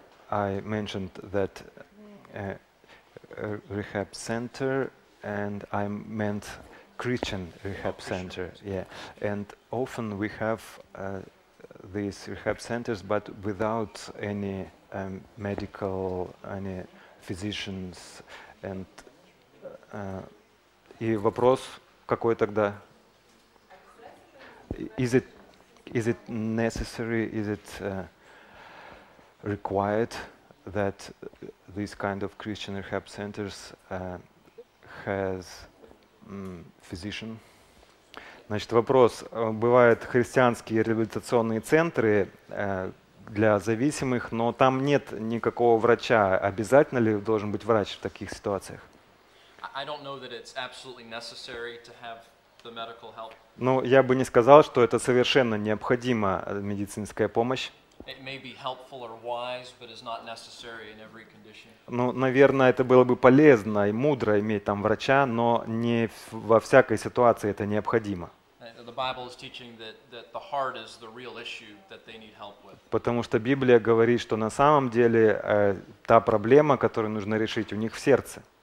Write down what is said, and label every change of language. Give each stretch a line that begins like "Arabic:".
English: I mentioned that rehab center, and I meant Christian rehab center. Yeah, and often we have these rehab centers, but without any medical, any physicians.
Russian: And и вопрос какой тогда?
English: Is it necessary? Is it required that this kind of Christian rehab centers has physician?
Russian: Значит, вопрос. Бывают христианские реабилитационные центры для зависимых, но там нет никакого врача. Обязательно ли должен быть врач в таких ситуациях?
English: I don't know that it's absolutely necessary to have the medical help.
Russian: Ну, я бы не сказал, что это совершенно необходима медицинская помощь.
English: It may be helpful or wise, but is not necessary in every condition.
Russian: Ну, наверное, это было бы полезно и мудро иметь там врача, но не во всякой ситуации это необходимо.
English: The Bible is teaching that the heart is the real issue that they need help with.
Russian: Потому что Библия говорит, что на самом деле та проблема, которую нужно решить, у них в сердце.